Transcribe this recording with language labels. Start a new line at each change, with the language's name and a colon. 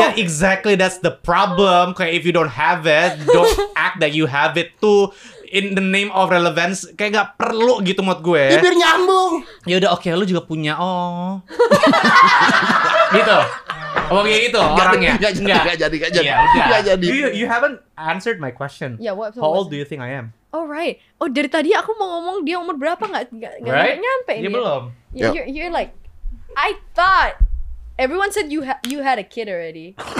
English: Yeah, exactly, that's the problem. Kayak if you don't have it, don't act that you have it too. In the name of relevance,
Indonesian: kayak gak perlu gitu mood gue. Bibir nyambung. Ya udah oke, okay, lo juga punya, oh. Gitu. Omong kayak gitu orangnya. Gak jadi. Yeah, jadi.
English: You haven't answered my question. Yeah, what? How old do you think I am? Oh right.
Indonesian: Oh dari tadi aku mau ngomong dia umur berapa gak nyampe dia. Dia belum.
English: You're like, I thought everyone said you had a kid already.